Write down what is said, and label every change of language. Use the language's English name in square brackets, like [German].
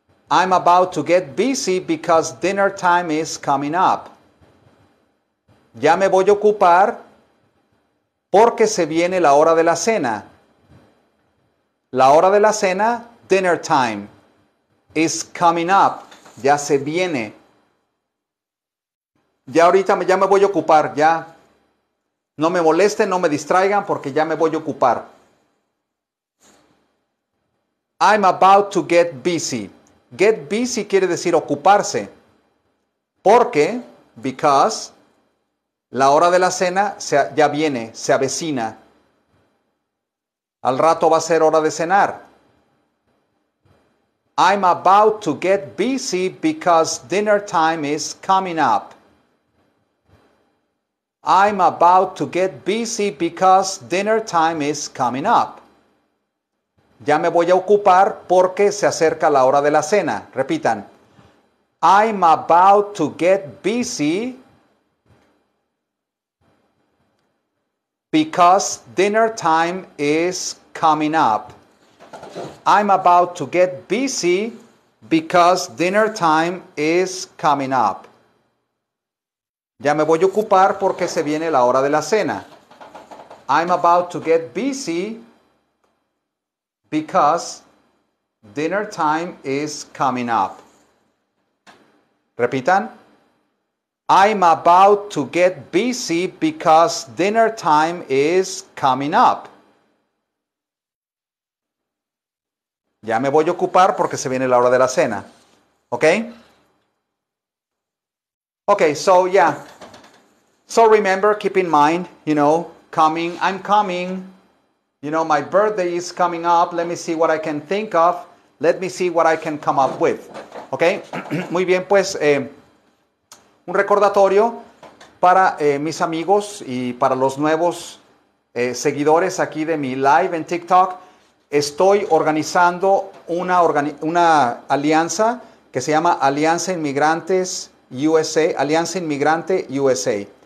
[English] I'm about to get busy because dinner time is coming up. [Spanish] Ya me voy a ocupar porque se viene la hora de la cena. La hora de la cena, [English] dinner time, is coming up. [Spanish] Ya se viene. Ya ahorita ya me voy a ocupar, ya. No me molesten, no me distraigan porque ya me voy a ocupar. [English] I'm about to get busy. Get busy [Spanish] quiere decir ocuparse. Porque, because, la hora de la cena ya viene, se avecina. Al rato va a ser hora de cenar. [English] I'm about to get busy because dinner time is coming up. I'm about to get busy because dinner time is coming up. [Spanish] Ya me voy a ocupar porque se acerca la hora de la cena. Repitan. [English] I'm about to get busy because dinner time is coming up. I'm about to get busy because dinner time is coming up. [Spanish] Ya me voy a ocupar porque se viene la hora de la cena. [English] I'm about to get busy because dinner time is coming up. Repitan. I'm about to get busy because dinner time is coming up. [Spanish] Ya me voy a ocupar porque se viene la hora de la cena. [English] Okay? Okay, so yeah. So remember, keep in mind, you know, coming, I'm coming. You know, my birthday is coming up. Let me see what I can think of. Let me see what I can come up with. Okay? [Spanish] Muy bien, pues, un recordatorio para mis amigos y para los nuevos seguidores aquí de mi live en TikTok. Estoy organizando una alianza que se llama Alianza Inmigrantes USA, Alianza Inmigrante USA.